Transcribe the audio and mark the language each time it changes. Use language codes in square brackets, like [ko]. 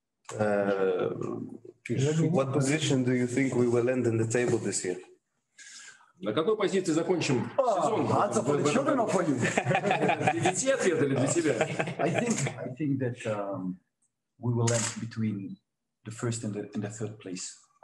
[en] What position do you think we will end in the table this year? [ru] На какой позиции закончим сезон? А, это для Джордана или для тебя? Для детей ответ или для себя? [en] I think that we will end between the first and the third place.